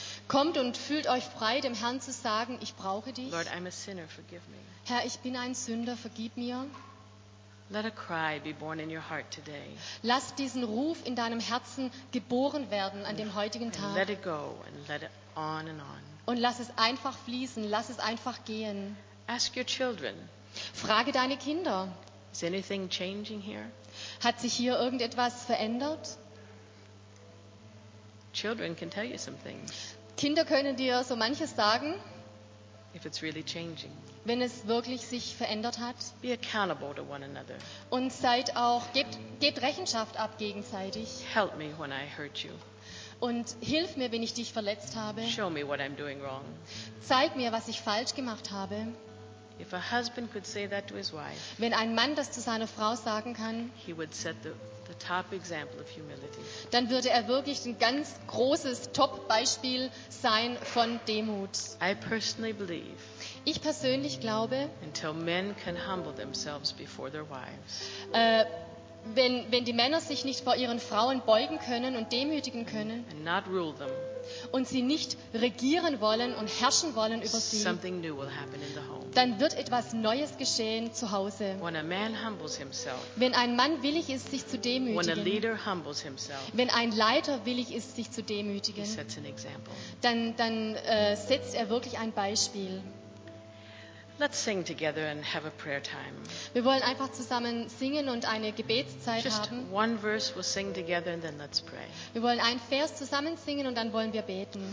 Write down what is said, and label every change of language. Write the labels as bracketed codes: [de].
[de] Kommt und fühlt euch frei, dem Herrn zu sagen, ich brauche dich. [en] Lord, I'm a sinner, forgive me. [de] Herr, ich bin ein Sünder, vergib mir. [en] Let a cry be born in your heart today. [de] Lass diesen Ruf in deinem Herzen geboren werden an dem heutigen Tag. [en] Let it go and let it on and on. [de] Und lass es einfach fließen, lass es einfach gehen. [en] Ask your children. [de] Frage deine Kinder. [en] Is anything changing here? [de] Hat sich hier irgendetwas verändert? [en] Children can tell you some things. [de] Kinder können dir so manches sagen. [en] If it's really changing. [de] Wenn es wirklich sich verändert hat. [en] Be accountable to one another. [de] Und seid auch, gebt Rechenschaft ab gegenseitig. [en] Help me when I hurt you. [de] Und hilf mir, wenn ich dich verletzt habe. [en] Show me what I'm doing wrong. [de] Zeig mir, was ich falsch gemacht habe. [en] If a husband could say that to his wife, [de] wenn ein Mann das zu seiner Frau sagen kann, [en] he would set the top example of humility. [de] Dann würde er wirklich ein ganz großes Top-Beispiel sein von Demut. [en] I personally believe, [de] ich persönlich glaube, [en] until men can humble themselves before their wives, [de] wenn die Männer sich nicht vor ihren Frauen beugen können und demütigen können [en] and not rule them, [de] und sie nicht regieren wollen und herrschen wollen über sie, [en] something new will happen in the home. [de] Dann wird etwas Neues geschehen zu Hause. [en] When a man humbles himself, [de] wenn ein Mann willig ist, sich zu demütigen, [en] when a leader humbles himself, [de] wenn ein Leiter willig ist, sich zu demütigen, [en] he sets an example. [de] Dann setzt er wirklich ein Beispiel. [en] Let's sing together and have a prayer time. [de] Wir wollen einfach zusammen singen und eine Gebetszeit [en] just [de] haben. [en] One verse we'll sing together and then let's pray. [de] Wir wollen einen Vers zusammen singen und dann wollen wir beten.